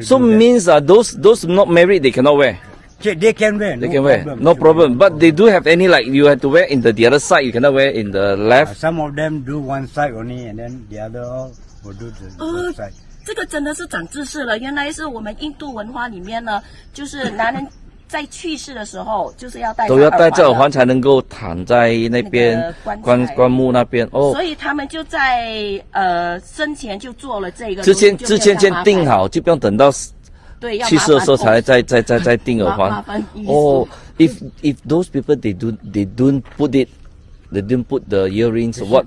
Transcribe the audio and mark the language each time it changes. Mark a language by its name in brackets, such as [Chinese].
[English] So means those not married, they cannot wear. They can wear. They can wear. No problem. But they do have any like you have to wear in the other side. You cannot wear in the left. Some of them do one side only, and then the other all will do the side. [Chinese] 这个真的是长知识了。原来是我们印度文化里面呢，就是男人在去世的时候就是要戴都要戴这耳环才能够躺在那边棺木那边。哦，所以他们就在生前就做了这个。之前先定好，就不用等到。对，去世的时候才再定耳环。 [English] if those people they don't put the earrings, what?